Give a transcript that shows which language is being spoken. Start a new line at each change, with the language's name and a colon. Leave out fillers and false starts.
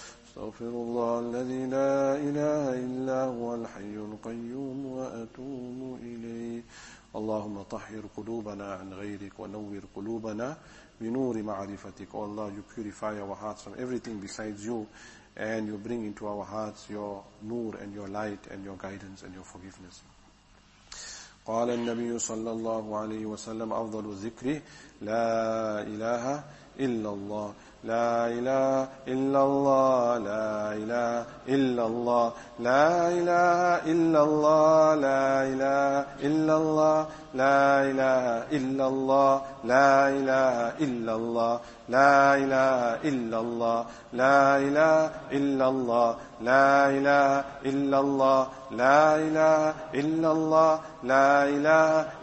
Arabic: أستغفر الله الذي لا إله إلا هو الحي القيوم وأتوب إليه. اللهم طهر قلوبنا عن غيرك ونور قلوبنا بنور معرفتك.
English: Oh Allah, you purify our hearts from everything besides you, and you bring into our hearts your nur and your light and your guidance and your forgiveness.
Arabic: قال النبي صلى الله عليه وسلم أفضل الذكر لا إله إلا الله. لا إله إلا الله لا إله إلا الله لا إله إلا الله لا إله إلا الله لا إله إلا الله لا إله إلا الله لا إله إلا الله لا إله إلا الله لا إله إلا الله لا إله إلا الله لا إله